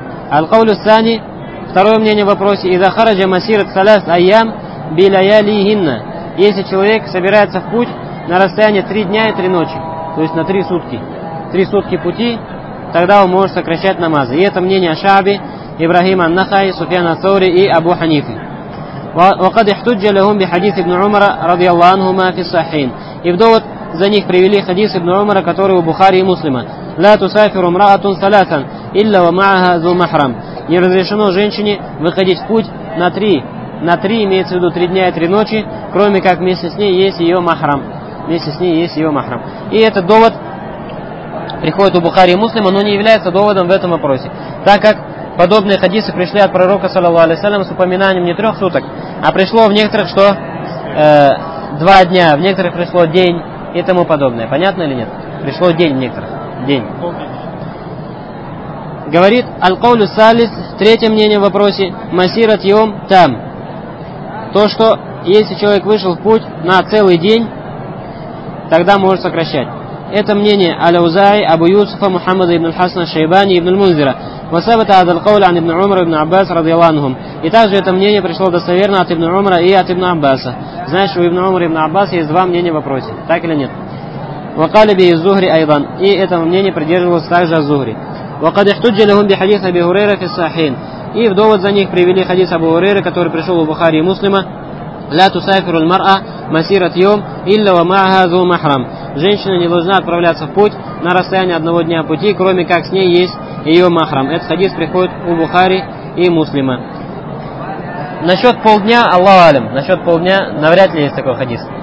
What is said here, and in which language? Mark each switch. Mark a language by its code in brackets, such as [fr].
[ru] Аль-Каулю Сани, второе мнение в вопросе. [ar] Иза хараджа масират саляс айям биляяли гинна. [ru] Если человек собирается в путь на расстояние 3 дня и 3 ночи, то есть на 3 сутки. 3 сутки пути, тогда он может сокращать намазы. И это мнение Шааби, Ибрахим ан-Нахай, Суфьян ас-Саури и Абу Ханифы. [ar] وقد احتج لهم بحديث ابن عمر رضي الله عنهما في الصحيحين. [ru] И вдовод за них привели хадис ибн Умара, который у Бухари и Муслима. [ar] لا تسافر امرأة ثلاثا إلا ومعها ذو محرم. [ru] Не разрешено женщине выходить в путь на 3. На 3 имеется в виду 3 дня и 3 ночи, кроме как вместе с ней есть её махрам. Вместе с ней есть её махрам. И этот довод приходит у Бухари и Муслима, но не является доводом в этом вопросе, так как подобные хадисы пришли от пророка, саллаллаху алейхи ва саллям, с упоминанием не трех суток, а пришло в некоторых, что два дня, в некоторых пришло день и тому подобное. Понятно или нет? Пришло день в некоторых. День. Говорит, аль-каулю салис, третье мнение в вопросе, масират йом там. То, что если человек вышел в путь на целый день, тогда может сокращать. Это мнение аль-Аузаи, Абу Юсуфа, Мухаммада ибн аль-Хасана, Шайбани ибн аль-Мунзира. [ar] وثبت هذا القول عن ابن عمر ابن عباس رضي الله عنهم. [ru] И также это мнение пришло достоверно от ибн Умара и от ибн Аббаса. Знаешь, у ибн Умара и ибн Аббаса есть два мнения в вопросе, так или нет? [ar] وقال به الزهري ايضا. [ru] И это мнение придерживалось также Аз-Зухри. [ar] وقد احتج لهم بحديث ابي هريره في الصحيحين. [ru] И в довод за них привели хадис Абу Хурейры, который пришел у Бухари и Муслима. [ar] لا تسافر المرأة مسيرة يوم إلا ومعها ذو محرم. [ru] Женщина не должна отправляться в путь на расстояние одного дня пути, кроме как с ней есть и ее махрам. Этот хадис приходит у Бухари и Муслима. Насчет полдня, Аллаху алим, насчет полдня, навряд ли есть такой хадис.